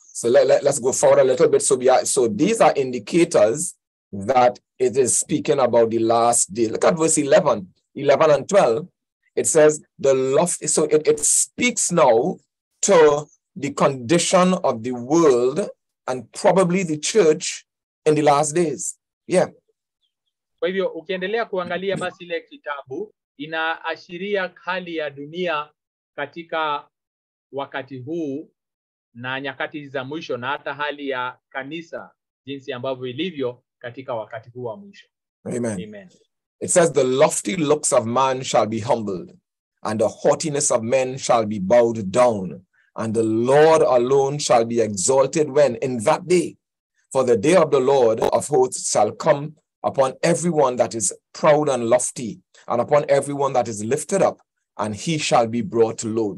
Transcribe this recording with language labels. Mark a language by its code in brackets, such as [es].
[en] So let's go forward a little bit. So these are indicators that it is speaking about the last day. Look at verse 11 and 12. It says the loft, so it speaks now to the condition of the world and probably the church in the last days. Yeah. [sw] Kwa hivyo ukiendelea kuangalia basi ile kitabu inaashiria hali ya dunia katika wakati huu na nyakati za mwisho na hata hali ya kanisa jinsi ambavyo ilivyo katika wakati huu wa mwisho. Amen. Amen. [en] It says the lofty looks of man shall be humbled, and the haughtiness of men shall be bowed down, and the Lord alone shall be exalted when in that day. For the day of the Lord of hosts shall come upon everyone that is proud and lofty, and upon everyone that is lifted up, and he shall be brought low.